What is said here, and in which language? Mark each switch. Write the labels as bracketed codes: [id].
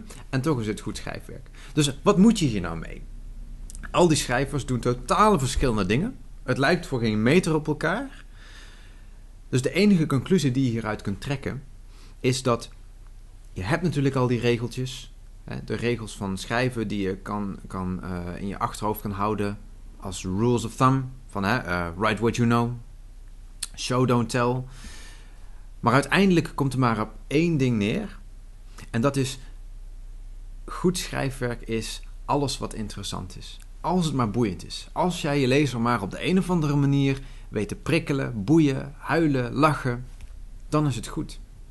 [nl] En toch is het goed schrijfwerk. Dus wat moet je hier nou mee? Al die schrijvers doen totale verschillende dingen. Het lijkt voor geen meter op elkaar. Dus de enige conclusie die je hieruit kunt trekken, is dat je hebt natuurlijk al die regeltjes. De regels van schrijven die je kan in je achterhoofd kan houden als [en] rules of thumb. Van write what you know, show don't tell. [nl] Maar uiteindelijk komt er maar op één ding neer. En dat is, goed schrijfwerk is alles wat interessant is. Als het maar boeiend is. Als jij je lezer maar op de een of andere manier weet te prikkelen, boeien, huilen, lachen, dan is het goed.